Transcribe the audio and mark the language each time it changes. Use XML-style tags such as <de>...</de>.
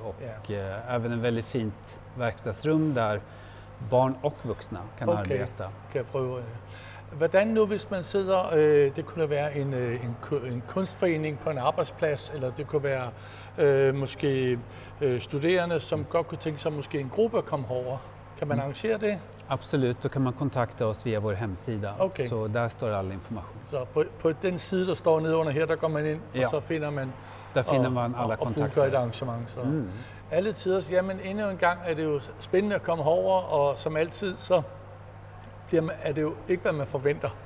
<sv>Och även en väldigt fint verkstadsrum där barn och vuxna kan arbeta. Okej, kan jag prova.</sv> <da>Hvordan nu, hvis man sidder, det kunne være en kunstforening på en arbejdsplads, eller det kunne være måske studerende, som godt kunne tænke sig måske en gruppe at komme herover. Kan man arrangere det?</da> <sv>Absolut, då kan man kontakta oss via vår hemsida. Okay. Så där står all information. Så på den sida som står nede under här, där går man in och så finner man alla kontakter och ett arrangemang. Så. Mm. Alla tider, jamen ännu en gång är det ju spännande att komma över och som alltid så är det ju inte vad man förväntar.</sv>